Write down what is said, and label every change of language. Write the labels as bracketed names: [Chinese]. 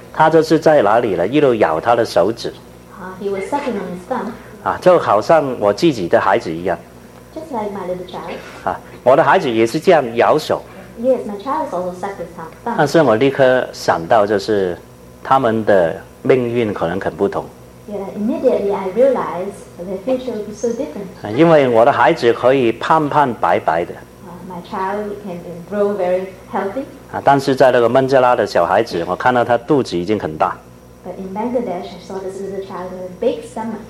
[Chinese] 他就是在哪里了？一路咬他的手指。 [English] He was sucking on his thumb. [Chinese] 就好像我自己的孩子一样。 [English] Just like my little child. [Chinese] 我的孩子也是这样咬手。 [English] Yes, my child also sucked his thumb. [Chinese] 但是我立刻想到，就是他们的命运可能很不同。 [English] Yeah, immediately I realized their future would be so different. [Chinese] 因为我的孩子可以胖胖白白的。 [English] My child can grow very healthy. [Chinese] 但是在那个孟加拉的小孩子，我看到他肚子已经很大。 [English] But But in Bangladesh, I saw this little child with a big stomach.